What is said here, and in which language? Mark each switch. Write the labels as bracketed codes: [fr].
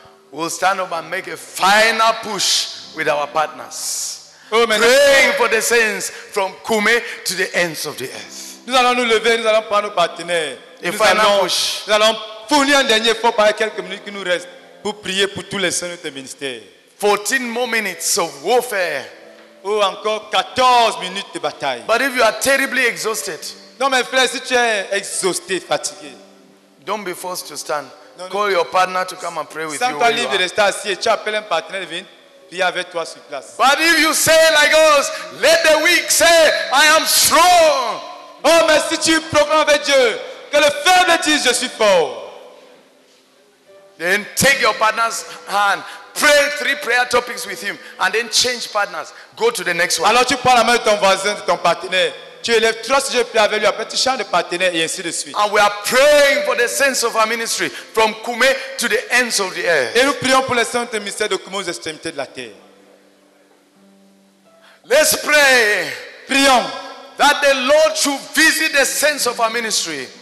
[en] We'll stand up and make a final push with our partners. Praying for the saints from Kume to the ends of the earth. [fr] Nous allons nous lever, nous allons prendre nos partenaires. [en] A final push. [fr] Nous allons fournir un dernier effort par quelques minutes qui nous restent pour prier pour tous les saints de notre ministère. [en] 14 more minutes of warfare. [fr] Ou encore 14 minutes de bataille. [en] But if you are terribly exhausted. [fr] Non, mes frères, si tu es exhausté, fatigué. [en] Don't be forced to stand. Call your partner to come and pray with you. [fr] Sans toi, reste assis. Tu appelles un partenaire de venir prier avec toi sur place. [en] But if you say like us, let the weak say, I am strong. [fr] Oh, mais si tu proclames avec Dieu, que le faible dise, je suis fort. [en] Then take your partner's hand. Pray three prayer topics with him. And then change partners. Go to the next one. [fr] Alors tu prends la main de ton voisin, de ton partenaire. Tu élèves trois sujets prêts avec lui. Après tu changes de partenaire et ainsi de suite. [en] And we are praying for the sense of our ministry. From Kume to the ends of the earth. [fr] Et nous prions pour le sens de ministère de Kume aux extrémités de la terre. [en] Let's pray. [fr] Prions. [en] That the Lord should visit the sense of our ministry.